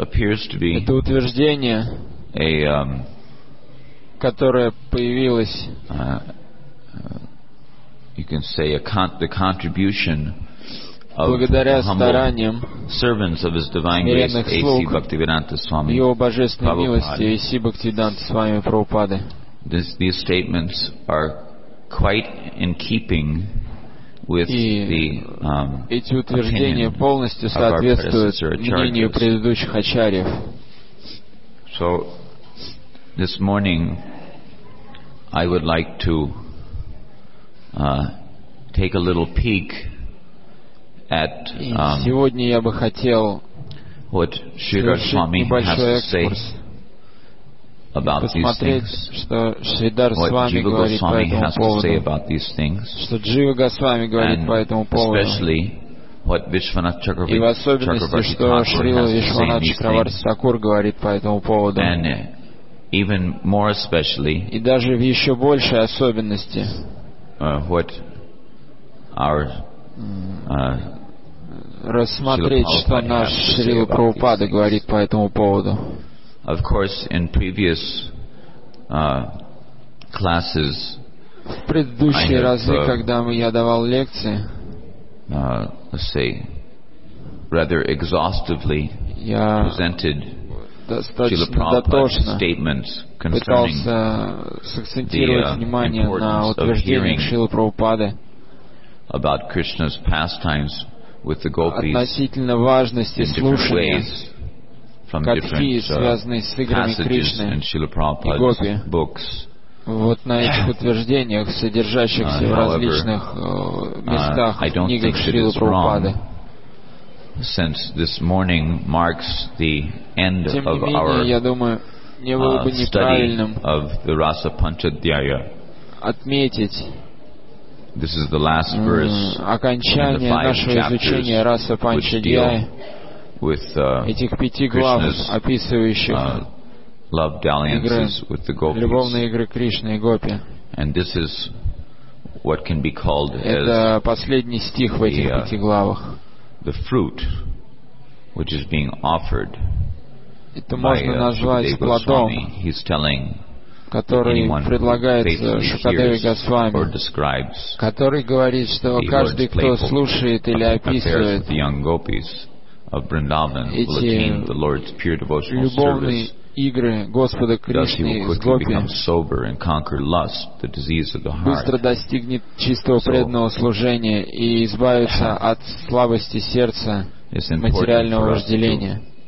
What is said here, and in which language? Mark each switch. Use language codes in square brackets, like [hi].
[ru] Это утверждение, которое появилось благодаря стараниям смиренных слуг Его Божественной милости A.C. Бхактивиданта Свами Прабхупады. [en] These statements are quite in keeping with the [ru] эти утверждения полностью соответствуют мнению предыдущих ачарьев. [en] So, this morning I would like to take a little peek at [ru] сегодня я бы хотел [en] what Shri Goswami has to say about these things, what Jiva Goswami has to say about these things, and especially what Vishwanath [ru] Chakravarti Thakur говорит по этому поводу, [en] and even more especially [ru] и даже в еще большей особенности [en] what our [ru] рассмотреть, что наш Шрила Прабхупада говорит по этому поводу. [en] Of course, in previous classes [ru] В предыдущие разы, когда я давал лекции, [en] rather exhaustively presented Srila Prabhupada's statements concerning the importance of hearing pastimes with the gopis [ru] относительно важности слушания [en] from different passages in Srila Prabhupada's books. [ru] Вот на этих утверждениях, содержащихся в различных местах в книгах Шрилы Прабхупады. [en] Since this morning marks the end of our study of the Rasa Panchadhyaya, this is the last verse in the five chapters which deal with Krishna's love dalliances with the gopis. [ru] Любовные игры Кришны и гопи. [en] And this is what can be called as the fruit which is being offered by Shukadeva Goswami. He's telling anyone who faithfully hears or describes, [ru] который говорит, что каждый, кто слушает или описывает [en] the young gopis of Vrindavan, will attain the Lord's pure devotional service. [ru] Игры Господа Кришны с гопи, [en] sober and conquer lust, the disease of the heart. [ru] Быстро достигнет чистого преданного служения и избавится от слабости сердца, материального вожделения.